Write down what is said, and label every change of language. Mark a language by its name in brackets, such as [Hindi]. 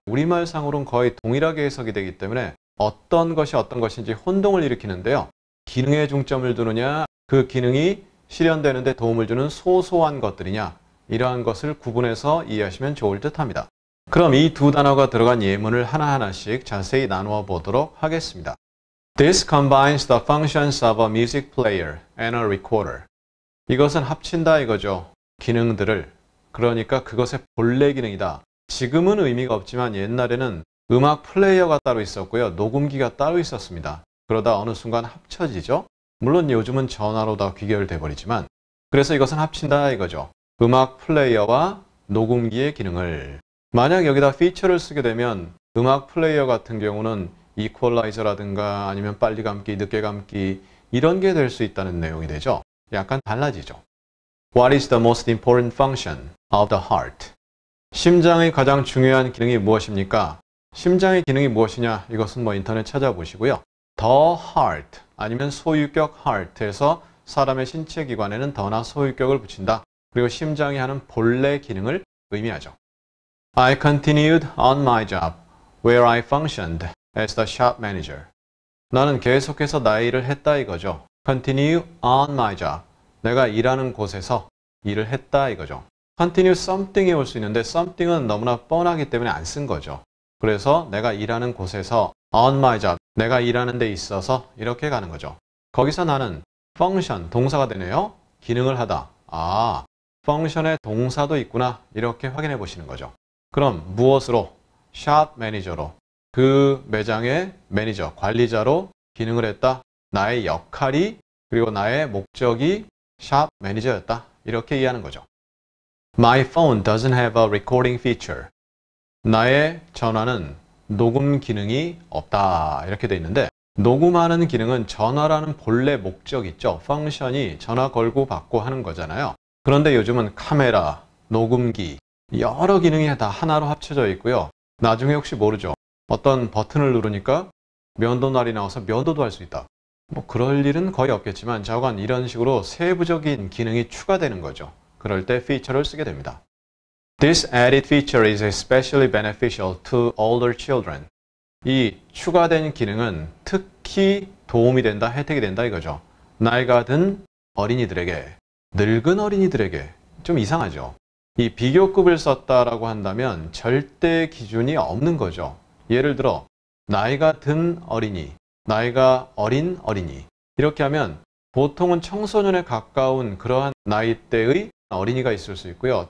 [Korean] 우리말상으로는 거의 동일하게 해석이 되기 때문에 어떤 것이 어떤 것인지 혼동을 일으키는데요. 기능에 중점을 두느냐, 그 기능이 실현되는 데 도움을 주는 소소한 것들이냐, 이러한 것을 구분해서 이해하시면 좋을 듯합니다. 그럼 이 두 단어가 들어간 예문을 하나하나씩 자세히 나누어 보도록 하겠습니다. [English] This combines the functions of a music player and a recorder. [Korean] 이것은 합친다 이거죠. 기능들을. 그러니까 그것의 본래 기능이다. 지금은 의미가 없지만 옛날에는 음악 플레이어가 따로 있었고요. 녹음기가 따로 있었습니다. 그러다 어느 순간 합쳐지죠. 물론 요즘은 전화로 다 귀결돼버리지만. 그래서 이것은 합친다 이거죠. 음악 플레이어와 녹음기의 기능을. 만약 여기다 feature를 쓰게 되면 음악 플레이어 같은 경우는 equalizer라든가 아니면 빨리 감기, 늦게 감기 이런 게 될 수 있다는 내용이 되죠. 약간 달라지죠. [English] What is the most important function of the heart? [Korean] 심장의 가장 중요한 기능이 무엇입니까? 심장의 기능이 무엇이냐? 이것은 뭐 인터넷 찾아보시고요. The heart 아니면 소유격 heart에서 사람의 신체 기관에는 더나 소유격을 붙인다. 그리고 심장이 하는 본래 기능을 의미하죠. [English] I continued on my job where I functioned as the shop manager. [Korean] 나는 계속해서 나의 일을 했다 이거죠. [English] Continue on my job. [Korean] 내가 일하는 곳에서 일을 했다 이거죠. [English] Continue something [Korean] 에 올 수 있는데 something은 너무나 뻔하기 때문에 안 쓴 거죠. 그래서 내가 일하는 곳에서 [English] on my job. [Korean] 내가 일하는 데 있어서 이렇게 가는 거죠. 거기서 나는 function, 동사가 되네요. 기능을 하다. 아, function의 동사도 있구나. 이렇게 확인해 보시는 거죠. 그럼 무엇으로? shop manager로 그 매장의 매니저, 관리자로 기능을 했다. 나의 역할이 그리고 나의 목적이 shop manager였다. 이렇게 이해하는 거죠. [English] My phone doesn't have a recording feature. [Korean] 나의 전화는 녹음 기능이 없다. 이렇게 돼 있는데 녹음하는 기능은 전화라는 본래 목적 있죠. function이 전화 걸고 받고 하는 거잖아요. 그런데 요즘은 카메라, 녹음기 여러 기능이 다 하나로 합쳐져 있고요. 나중에 혹시 모르죠. 어떤 버튼을 누르니까 면도날이 나와서 면도도 할 수 있다. 뭐 그럴 일은 거의 없겠지만 자관 이런 식으로 세부적인 기능이 추가되는 거죠. 그럴 때 feature를 쓰게 됩니다. [English] This added feature is especially beneficial to older children. [Korean] 이 추가된 기능은 특히 도움이 된다, 혜택이 된다 이거죠. 나이가 든 어린이들에게, 늙은 어린이들에게 좀 이상하죠. 이 비교급을 썼다라고 한다면 절대 기준이 없는 거죠. 예를 들어 나이가 든 어린이, 나이가 어린 어린이 이렇게 하면 보통은 청소년에 가까운 그러한 나이대의 어린이가 있을 수 있고요.